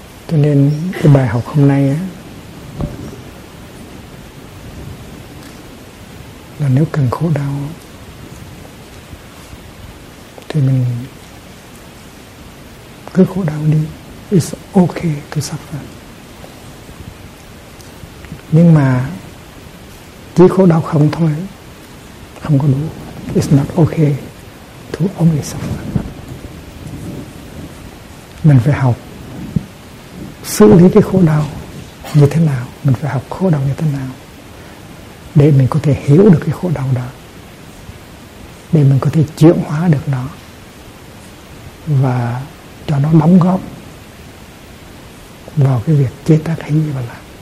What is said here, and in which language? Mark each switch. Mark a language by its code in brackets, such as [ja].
[vi] Cho nên cái bài học hôm nay á, là nếu cần khổ đau thì mình cứ khổ đau đi. [en] It's okay to suffer. [vi] Nhưng mà chỉ khổ đau không thôi, không có đủ. [en] It's not okay to only suffer. [vi] Mình phải học xử lý cái khổ đau như thế nào, mình phải học khổ đau như thế nào để mình có thể hiểu được cái khổ đau đó, để mình có thể chuyển hóa được nó và cho nó đóng góp vào cái việc chế tác hình như là.